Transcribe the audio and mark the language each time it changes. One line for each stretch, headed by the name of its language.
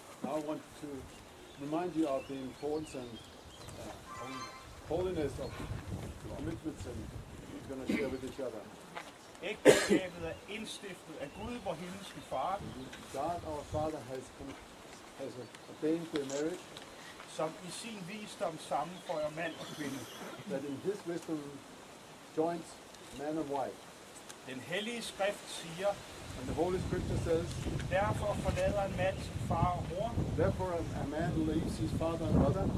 English: I want to remind you of the importance and holiness of commitment that we're going to share with each other.
Danish: Ægteskabet er indstiftet af Gud, vor himmelske far.
English: God, our Father, has ordained the marriage,
Danish: som i sin visdom sammenføjer mand og kvinde.
English: That in his wisdom joins man and wife.
Danish: Den hellige skrift siger,
English: and the Holy Scripture says,
Danish: derfor forlader en mand sin far og mor,
English: therefore a man leaves his father and mother,